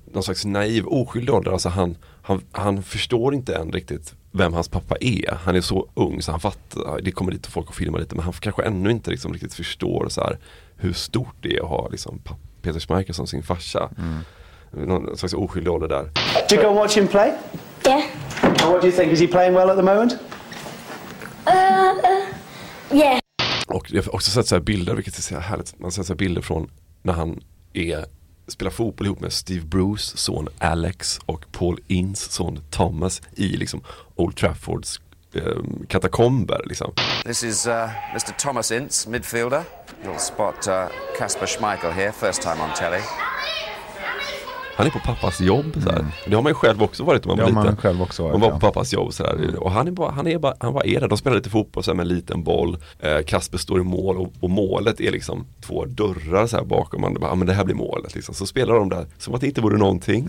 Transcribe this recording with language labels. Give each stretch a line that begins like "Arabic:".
Swedish: någon slags naiv, oskyldig ålder. Alltså han förstår inte än riktigt vem hans pappa är. Han är så ung så han fattar, det kommer lite folk att filma lite, men han kanske ännu inte liksom riktigt förstår så här hur stort det är att ha liksom Peter Schmeichel som sin farsa. Mm. Någon slags oskyldig ålder där.
English: Do you go watch him play? Yeah. And what do you think? Is he playing well at the moment? Yeah.
Swedish: Och jag har också sett så här bilder, vilket är så här härligt. Man ser så här bilder från när han spelar fotboll ihop med Steve Bruce, son Alex, och Paul Ince, son Thomas, i liksom Old Traffords katakomber. Liksom.
English: This is Mr. Thomas Ince, midfielder. You'll spot Kasper Schmeichel here, first time on telly.
Swedish: Han är på pappas jobb så här. Mm. Det har man ju själv också varit om man blir liten. Själv också varit, man var på pappas jobb så här. Och han var där. De spelar lite fotboll så här, med en liten boll. Kasper står i mål och målet är liksom två dörrar så här bakom. Man bara, men det här blir målet liksom. Så spelar de där som att det inte vore någonting.